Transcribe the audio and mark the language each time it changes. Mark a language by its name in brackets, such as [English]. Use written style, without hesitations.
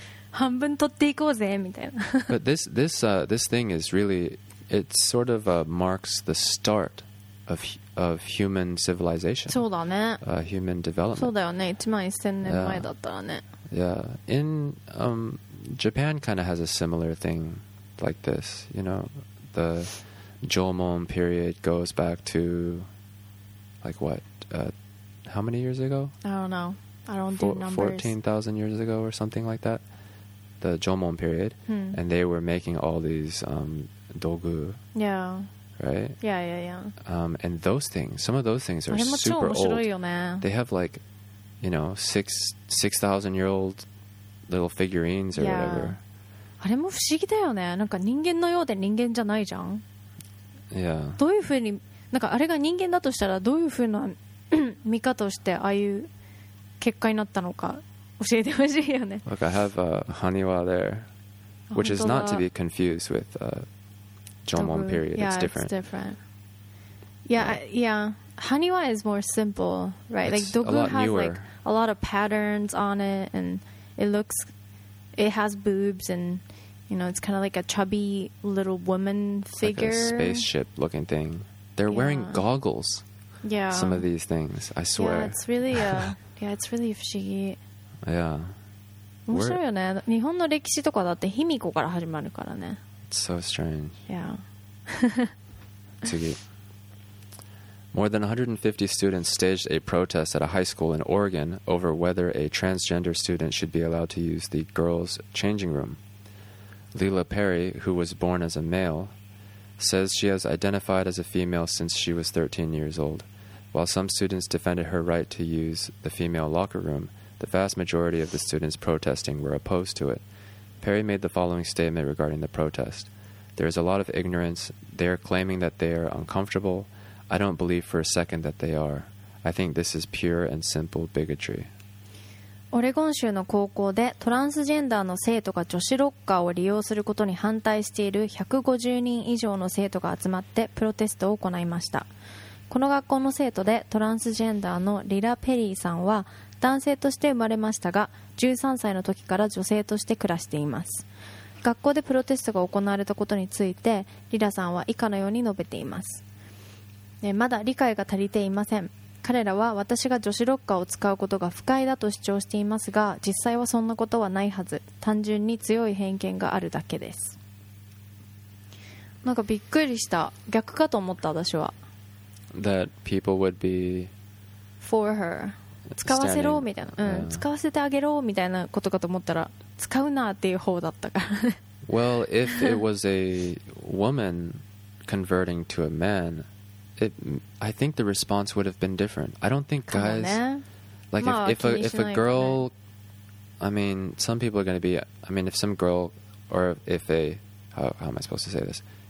[Japanese] 半分取っていこうぜみたいな。 [English] But this thing is really, it sort of marks the start of human civilization. [Japanese] そうだね。 [English] Human development. [Japanese] そうだよね。1万1000年前だったらね。 [English] Yeah. In Japan kind of has a similar thing like this. You know, the Jomon period goes back to, like, what? How many years ago? I don't know. I don't do numbers. 14,000 years ago or something like that. The Jomon period. Hmm. And they were making all these dogu. Yeah. Right? Yeah, yeah, yeah. And those things, some of those things are super old. They have, like, you know, 6,000-year-old little figurines or whatever. [Japanese] あれも不思議だよね。なんか人間のようで人間じゃないじゃん。 [English] Yeah. [Japanese] どういうふうに、なんかあれが人間だとしたらどういうふうな見方をしてああいう結果になったのか教えてほしいよね。 [English] Look, I have a haniwa there, which is not to be confused with Jomon period. Yeah, it's different. Yeah. Haniwa is more simple, right? It's like dogu has like a lot of patterns on it, and it looks. It has boobs and, you know, it's kind of like a chubby little woman figure. It's like a spaceship looking thing. They're wearing goggles. Yeah. Some of these things, I swear. Yeah, it's really, it's really [Japanese] 不思議. [English] Yeah. [Japanese] 面白いよね。日本の歴史とかだって卑弥呼から始まるからね。 [English] It's so strange. Yeah. [Japanese] 次. [English] More than 150 students staged a protest at a high school in Oregon over whether a transgender student should be allowed to use the girls' changing room. Lila Perry, who was born as a male, says she has identified as a female since she was 13 years old. While some students defended her right to use the female locker room, the vast majority of the students protesting were opposed to it. Perry made the following statement regarding the protest. There is a lot of ignorance. They are claiming that they are uncomfortable. I don't believe for a second that they are. I think this is pure and simple bigotry. [Japanese] オレゴン州の高校でトランスジェンダーの生徒が女子ロッカーを利用することに反対している150人以上の生徒が集まってプロテストを行いました。この学校の生徒でトランスジェンダーのリラ・ペリーさんは男性として生まれましたが、13歳の時から女性として暮らしています。学校でプロテストが行われたことについて、リラさんは以下のように述べています。まだ理解が足りていません。彼らは私が女子ロッカーを使うことが不快だと主張していますが、実際はそんなことはないはず。単純に強い偏見があるだけです。なんかびっくりした。逆かと思った私は。 [English] That people would be for her. [Japanese] 使わせろみたいな。うん、使わせてあげろみたいなことかと思ったら、使うなっていう方だったから。 [English] Well, if it was a woman converting to a man,I think the response would have been different. I don't think guys like if a girl, I mean, some people are going to be, I mean, if some girl or if a, how am I supposed to say this?